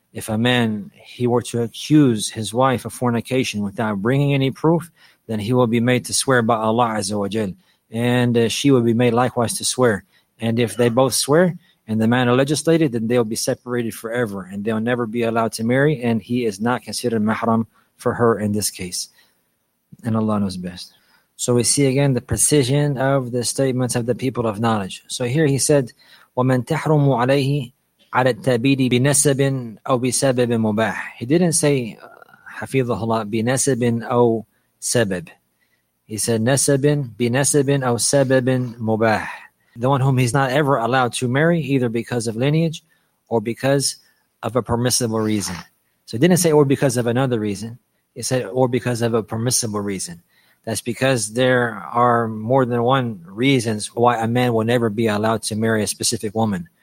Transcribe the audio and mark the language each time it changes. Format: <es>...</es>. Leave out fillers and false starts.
<en>If a man, he were to accuse his wife of fornication without bringing any proof, then he will be made to swear by Allah Azza wa Jal, and she would be made likewise to swear. And if they both swear and the man legislated, then they'll be separated forever and they'll never be allowed to marry, and he is not considered mahram for her in this case. And Allah knows best. So we see again the precision of the statements of the people of knowledge. So here he said,</en> <ar>وَمَنْ تَحْرُمُ عَلَيْهِ عَلَى التَّبِيدِ بِنَسَبٍ أَوْ بِسَبَبٍ مُبَاحٍ.</ar> <en>He didn't say,</en> <ar>حَفِظَهُ اللَّهُ, بِنَسَبٍ أَوْ سَبَبٍ.</ar> <en>He said,</en> <ar>nasabin, binasabin, aw sababin mubah.</ar> <en>The one whom he's not ever allowed to marry, either because of lineage or because of a permissible reason. So he didn't say, or because of another reason. He said, or because of a permissible reason. That's because there are more than one reasons why a man will never be allowed to marry a specific woman.</en>